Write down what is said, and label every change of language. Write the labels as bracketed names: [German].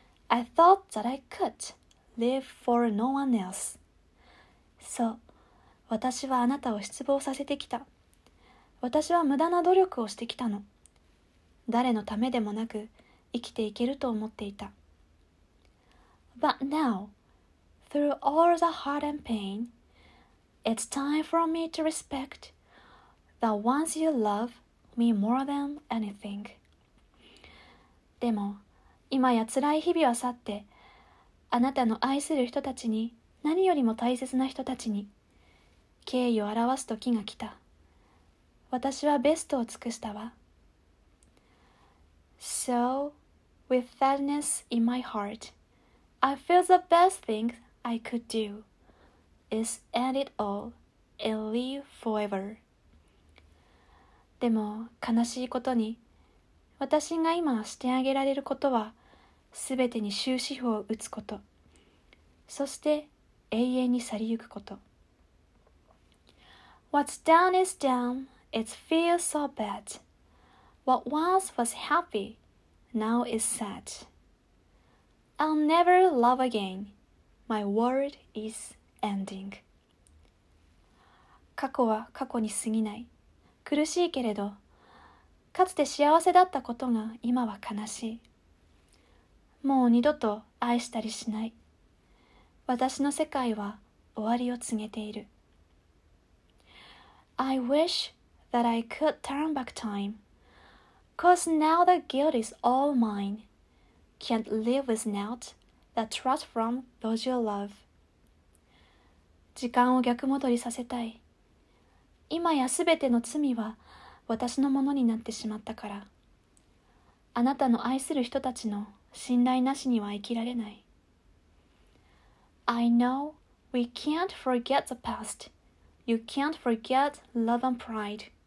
[English] I thought that I could live for no one else. [Japanese] そう、私はあなたを失望させてきた。私は無駄な努力をしてきたの。誰のためでもなく生きていけると思っていた。 [English] But now, through all the hurt and pain, it's time for me to respect the ones you love me more than anything. [Japanese] でも、今や辛い日々は去って、あなたの愛する人たちに、何よりも大切な人たちに敬意を表す時が来た。私はベストを尽くしたわ。 [English] So, with sadness in my heart, I feel the best thing I could do is end it all and live forever. [Japanese] でも悲しいことに、私が今してあげられることは、すべてに終止符を打つこと、そして永遠に去りゆくこと。 [English] What's done is done. It feels so bad. What once was happy, now is sad. I'll never love again. My world is ending. [Japanese] 過去は過去に過ぎない。苦しいけれど、かつて幸せだったことが今は悲しい。もう二度と愛したりしない。私の世界は終わりを告げている。 [English] I wishthat I could turn back time. Cause now the guilt is all mine. Can't live without the trust from those you love. [Japanese] 時間を逆戻りさせたい。今やすべての罪は私のものになってしまったから。あなたの愛する人たちの信頼なしには生きられない。 [English] I know we can't forget the past. You can't forget love and pride.